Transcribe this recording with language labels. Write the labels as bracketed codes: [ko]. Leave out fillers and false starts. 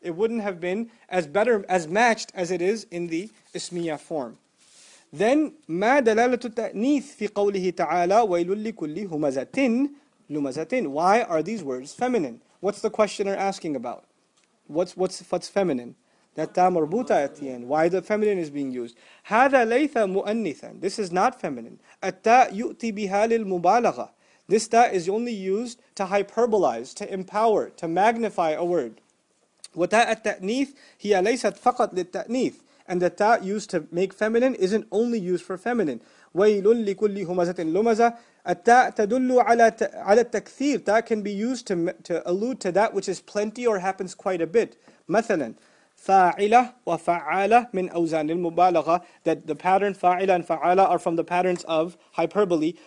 [en] It wouldn't have been as better, as matched as it is in the ismiyah form. [ar] Then, مَا دَلَالَةُ التَّأْنِيثِ فِي قَوْلِهِ تَعَالَى وَيْلٌ لِكُلِّ هُمَزَةٍ لُمَزَةٍ, [en] why are these words feminine? What's the questioner asking about? What's feminine? That ta marbuta at the end. Why the feminine is being used? [ar] هذا ليث مؤنثاً. [en] This is not feminine. [ar] التاء يؤتي بها للمبالغة. [en] This ta is only used to hyperbolize, to empower, to magnify a word. [ar] وتاء التأنيث هي ليست فقط للتأنيث. [en] And the ta used to make feminine isn't only used for feminine. [ar] ويل لكل همزة لمزة. التاء تدل على التكثير. [en] Ta can be used to allude to that which is plenty or happens quite a bit. [ar] مثلاً فاعلة وفعالة من أوزان المبالغة, [en] that the pattern فاعلة and فعالة are from the patterns of hyperbole.